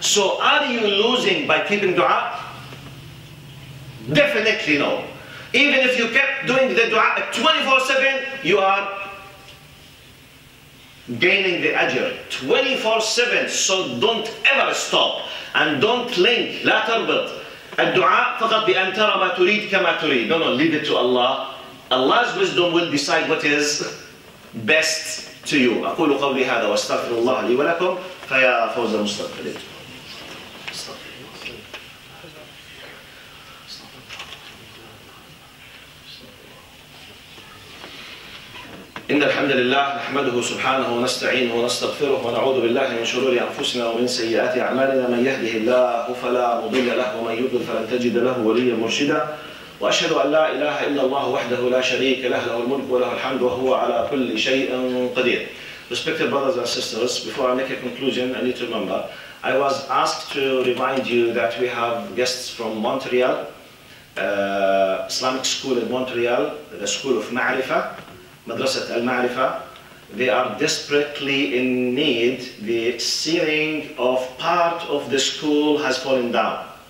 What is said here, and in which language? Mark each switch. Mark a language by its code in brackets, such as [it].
[en] So are you losing by keeping dua? Definitely no. Even if you kept doing the dua 24/7, you are gaining the ajr 24/7. So don't ever stop, and don't link, [ar] لا تربط الدعاء فقط بأن ترى ما تريد كما تريد. [en] No, no, leave it to Allah. Allah's wisdom will decide what is best to you. [ar] أقول قولي هذا واستغفر الله لي ولكم فيا فوز المستغفرين. إن الحمد لله نحمده سبحانه ونستعينه ونستغفره ونعوذ بالله من شرور أنفسنا ومن سيئات أعمالنا من يهده الله فلا مضل له ومن يضلل فلن تجد له وليا مرشدا وأشهد أن لا إله إلا الله وحده لا شريك له له الملك وله الحمد وهو على كل شيء قدير. [en] Respected brothers and sisters, before I make a conclusion, I need to remember, I was asked to remind you that we have guests from Montreal, Islamic school in Montreal, the school of Ma'rifa. [ar] مدرسة المعرفة. [en] They are desperately in need. The ceiling of part of the school has fallen down.